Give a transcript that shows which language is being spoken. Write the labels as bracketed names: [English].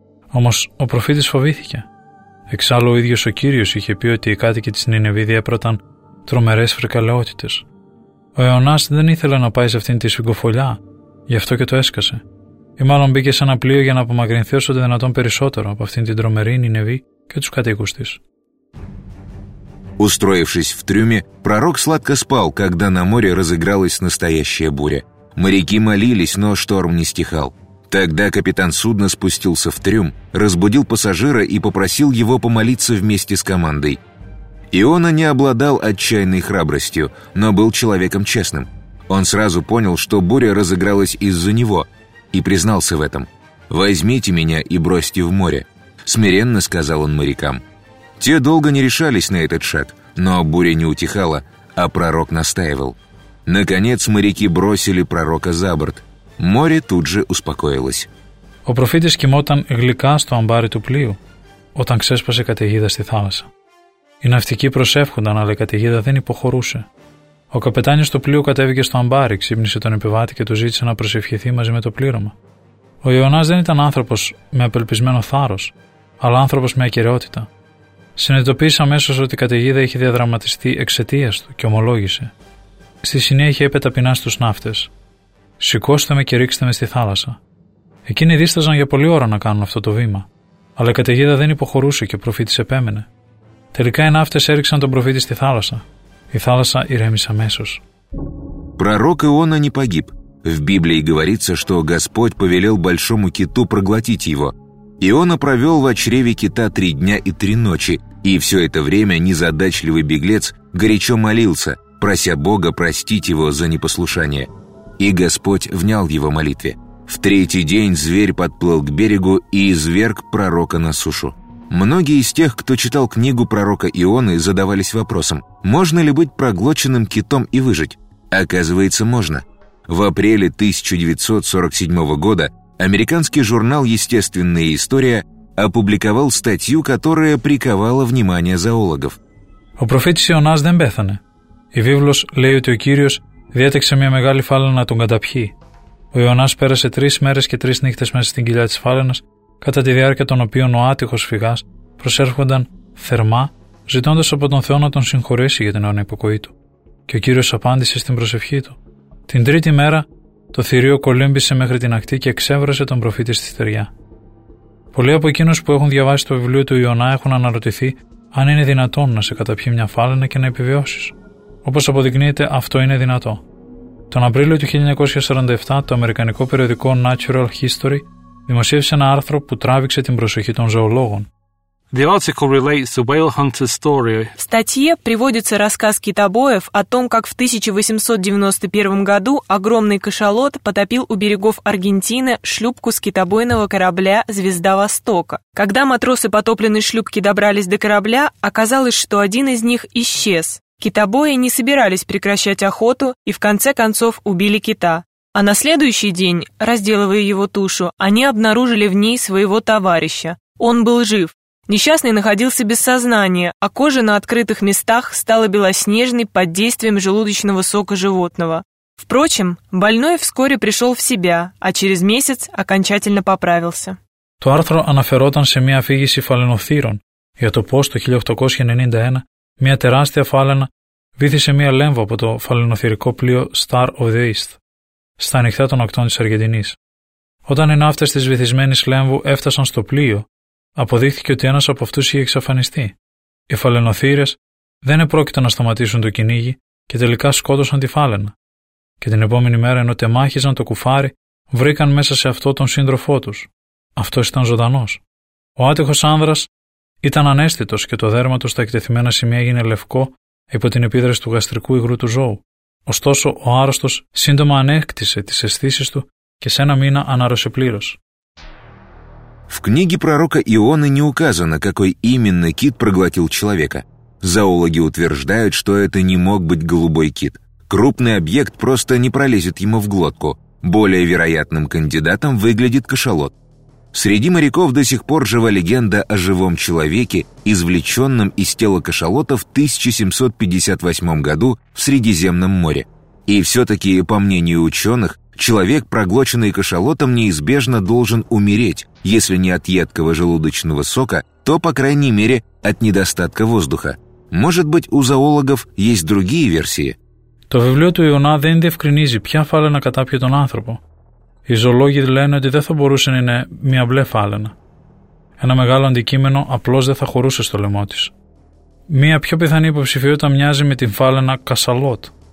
[Greek] Όμως ο προφήτης φοβήθηκε. Εξάλλου ο ίδιος ο Κύριος είχε πει ότι οι κάτοικοι της Νινεβή διέπραταν τρομερές φρικαλαιότητες. Ο Ιωνάς δεν ήθελε να πάει σε αυτήν τη σφυγκοφωλιά, γι' αυτό και το έσκασε. Ή μάλλον μπήκε σε ένα πλοίο για να απομακρυνθεί όσο το δυνατόν περισσότερο από αυτήν την τρομερή Νινεβή και τους κατοίκους της. [Russian] Устроившись в трюме, пророк сладко спал, когда на море разыгралась настоящая буря. Моряки молились, но шторм не стихал. Тогда капитан судна спустился в трюм, разбудил пассажира и попросил его помолиться вместе с командой. Иона не обладал отчаянной храбростью, но был человеком честным. Он сразу понял, что буря разыгралась из-за него, и признался в этом. «Возьмите меня и бросьте в море», — смиренно сказал он морякам. Те долго не решались на этот шаг, но буря не утихала, а пророк настаивал. Наконец моряки бросили пророка за борт. Море тут же успокоилось. [Greek] Ο προφήτης κοιμόταν γλυκά στο αμπάρι του πλοίου, όταν ξέσπασε καταιγίδα στη θάλασσα. Οι ναυτικοί προσεύχονταν, αλλά η καταιγίδα δεν υποχωρούσε. Ο καπετάνιος του πλοίου κατέβηκε στο αμπάρι, ξύπνησε τον επιβάτη και του ζήτησε να προσευχηθεί μαζί με το πλήρωμα. Ο Ιωνάς δεν ήταν άνθρωπος με απελπισμένο θάρρος, αλλά άνθρωπος με ακεραιότητα. Συνειδητοποίησε αμέσως ότι η καταιγίδα είχε διαδραματιστεί εξαιτίας του και ομολόγησε. Στη συνέχεια είπε ταπεινά στους ναύτες: «Σηκώστε με και ρίξτε με στη θάλασσα». Εκείνοι δίσταζαν για πολλή ώρα να κάνουν αυτό το βήμα, αλλά η καταιγίδα δεν υποχωρούσε και ο προφήτης επέμενε. Τελικά οι ναύτες έριξαν τον προφήτη στη θάλασσα. Η θάλασσα ηρέμησε αμέσως. [Russian] Пророк Иона не погиб. В Библии говорится, что Господь повелел большому киту проглотить его. Иона провел в чреве кита 3 дня и 3 ночи, и все это время незадачливый беглец горячо молился, прося Бога простить его за непослушание. И Господь внял его молитве. В третий день зверь подплыл к берегу и изверг пророка на сушу. Многие из тех, кто читал книгу пророка Ионы, задавались вопросом, можно ли быть проглоченным китом и выжить? Оказывается, можно. В апреле 1947 года американский журнал «Естественная история» опубликовал статью, которая приковала внимание зоологов. [Greek] Ο προφήτης Ιωνάς δεν πέθανε. Η Βίβλος λέει ότι ο Κύριος διέταξε μια μεγάλη φάλαινα να τον καταπιεί. Ο Ιωνάς πέρασε 3 μέρες και 3 νύχτες μέσα στην κοιλιά της φάλαινας, κατά τη διάρκεια των οποίων ο άτυχος φυγάς προσέρχονταν θερμά, ζητώντας από τον Θεό να τον συγχωρήσει για την ανυπακοή του. Και ο Κύριος απάντησε στην προσευχή του. Την τρίτη μέρα, το θηρίο κολύμπησε μέχρι την ακτή και εξέβρασε τον προφήτη στη στεριά. Πολλοί από εκείνους που έχουν διαβάσει το βιβλίο του Ιωνά έχουν αναρωτηθεί αν είναι δυνατόν να σε καταπιεί μια φάλαινα και να επιβιώσεις. Όπως αποδεικνύεται, αυτό είναι δυνατό. Τον Απρίλιο του 1947, το αμερικανικό περιοδικό Natural History δημοσίευσε ένα άρθρο που τράβηξε την προσοχή των ζωολόγων. [English] The article relates the whale hunter's story. [Russian] В статье приводится рассказ китобоев о том, как в 1891 году огромный кашалот потопил у берегов Аргентины шлюпку с китобойного корабля «Звезда Востока». Когда матросы потопленной шлюпки добрались до корабля, оказалось, что один из них исчез. Китобои не собирались прекращать охоту и в конце концов убили кита. А на следующий день, разделывая его тушу, они обнаружили в ней своего товарища. Он был жив. Несчастный находился без сознания, а кожа на открытых местах стала белоснежной под действием желудочного сока животного. Впрочем, больной вскоре пришел в себя, а через месяц окончательно поправился. [Greek] Το άρθρο αναφερόταν σε μια αφήγηση φαλαινοθύρων για το πώς το 1891 μια τεράστια φάλαινα βύθισε μια λέμβο από το φαλαινοθυρικό πλοίο Star of the East στα ανοιχτά των ακτών της Αργεντινής. Όταν οι ναύτες της βυθισμένης λέμβου έφτασαν στο πλοίο, αποδείχθηκε ότι ένας από αυτούς είχε εξαφανιστεί. Οι φαλαινοθύρες δεν επρόκειτο να σταματήσουν το κυνήγι και τελικά σκότωσαν τη φάλαινα. Και την επόμενη μέρα, ενώ τεμάχιζαν το κουφάρι, βρήκαν μέσα σε αυτό τον σύντροφό τους. Αυτός ήταν ζωντανός. Ο άτυχος άνδρας ήταν αναίσθητος και το δέρμα του στα εκτεθειμένα σημεία έγινε λευκό υπό την επίδραση του γαστρικού υγρού του ζώου. Ωστόσο, ο άρρωστος σύντομα ανέκτησε τις αισθήσεις του και σε ένα μήνα ανάρρωσε πλήρως. [Russian] В книге пророка Ионы не указано, какой именно кит проглотил человека. Зоологи утверждают, что это не мог быть голубой кит. Крупный объект просто не пролезет ему в глотку. Более вероятным кандидатом выглядит кашалот. Среди моряков до сих пор жива легенда о живом человеке, извлеченном из тела кашалота в 1758 году в Средиземном море. И все-таки, по мнению ученых, человек, проглоченный кашалотом, неизбежно должен умереть, если не от едкого желудочного сока, то, по крайней мере, от недостатка воздуха. Может быть, у зоологов есть другие версии? [Greek] Το βιβλίο του Ιωνά δεν διευκρινίζει ποια φάλαινα κατάπιε τον άνθρωπο. Οι ζωολόγοι λένε ότι δεν θα μπορούσε να είναι μια μπλε φάλαινα. Ένα μεγάλο αντικείμενο απλώς δεν θα χωρούσε στο λαιμό της. Μια πιο πιθανή υποψηφιότητα μοιάζει με την φάλαινα κασαλότ.